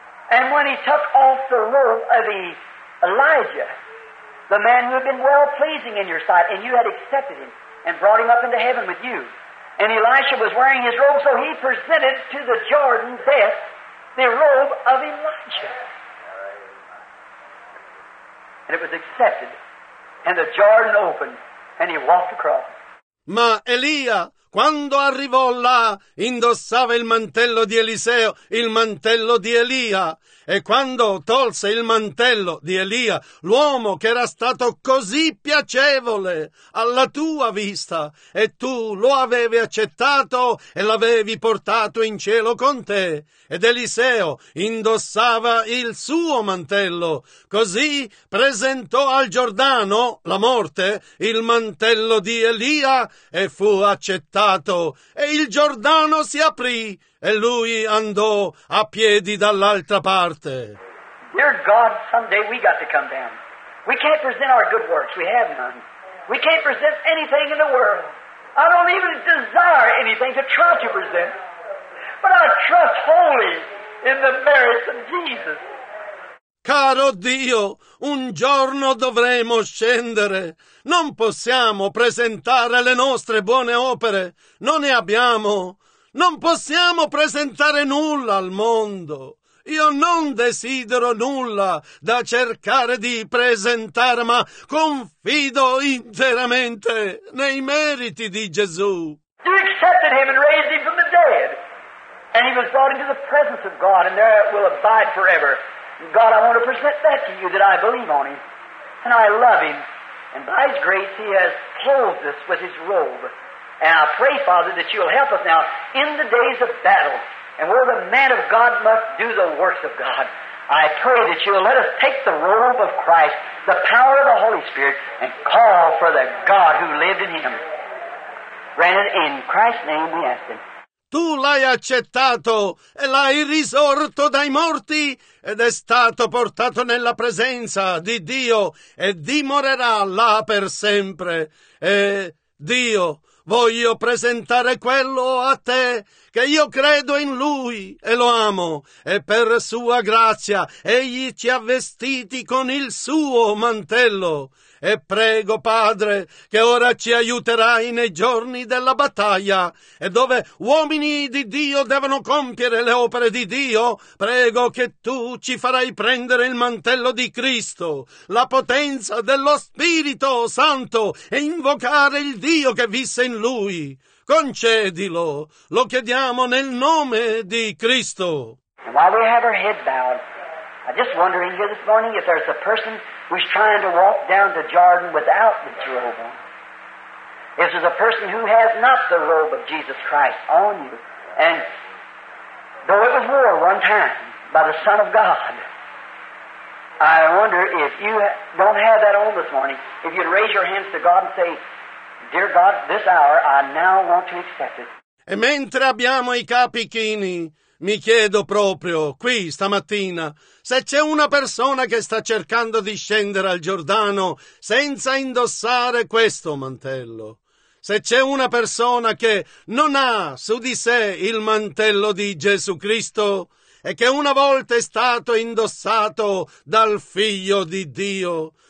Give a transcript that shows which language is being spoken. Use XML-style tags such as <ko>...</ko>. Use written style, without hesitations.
<en>And when he took off the robe of Elijah, the man who had been well-pleasing in your sight, and you had accepted him and brought him up into heaven with you, and Elisha was wearing his robe, so he presented to the Jordan death the robe of Elijah. And it was accepted, and the Jordan opened, and he walked across.</en> <it>Ma Elia, quando arrivò là, indossava il mantello di Eliseo, il mantello di Elia. E quando tolse il mantello di Elia, l'uomo che era stato così piacevole alla tua vista, e tu lo avevi accettato e l'avevi portato in cielo con te, ed Eliseo indossava il suo mantello, così presentò al Giordano, la morte, il mantello di Elia e fu accettato, e il Giordano si aprì. E lui andò a piedi dall'altra parte.</it> <en>Dear God, someday we got to come down. We can't present our good works. We have none. We can't present anything in the world. I don't even desire anything to try to present. But I trust wholly in the merits of Jesus.</en> <it>Caro Dio, un giorno dovremo scendere. Non possiamo presentare le nostre buone opere. Non ne abbiamo. Non possiamo presentare nulla al mondo. Io non desidero nulla da cercare di presentare, ma confido interamente nei meriti di Gesù.</it> <en>You accepted him and raised him from the dead. And he was brought into the presence of God, and there it will abide forever. God, I want to present that to you, that I believe on him, and I love him. And by his grace he has clothed us with his robe. And I pray, Father, that you'll help us now in the days of battle and where the man of God must do the works of God. I pray that you'll let us take the robe of Christ, the power of the Holy Spirit, and call for the God who lived in him. Granted, in Christ's name we ask him.</en> <it>Tu l'hai accettato e l'hai risorto dai morti ed è stato portato nella presenza di Dio e dimorerà là per sempre. E Dio... Voglio presentare quello a te che io credo in Lui e lo amo, e per Sua grazia Egli ci ha vestiti con il Suo mantello. E prego, Padre, che ora ci aiuterai nei giorni della battaglia, e dove uomini di Dio devono compiere le opere di Dio, prego che Tu ci farai prendere il mantello di Cristo, la potenza dello Spirito Santo, e invocare il Dio che visse in Lui. Concedilo, lo chiediamo nel nome di Cristo.</it> <en>While we have our head bowed, I'm just wondering here this morning if there's a person who's trying to walk down the Jordan without the robe on. If there's a person who has not the robe of Jesus Christ on you, and though it was worn one time by the Son of God, I wonder if you don't have that on this morning, if you'd raise your hands to God and say, "Dear God, this hour I now want to accept it."</en> <it>E mentre abbiamo i capi chini, mi chiedo proprio, qui stamattina, se c'è una persona che sta cercando di scendere al Giordano senza indossare questo mantello. Se c'è una persona che non ha su di sé il mantello di Gesù Cristo e che una volta è stato indossato dal Figlio di Dio.</it>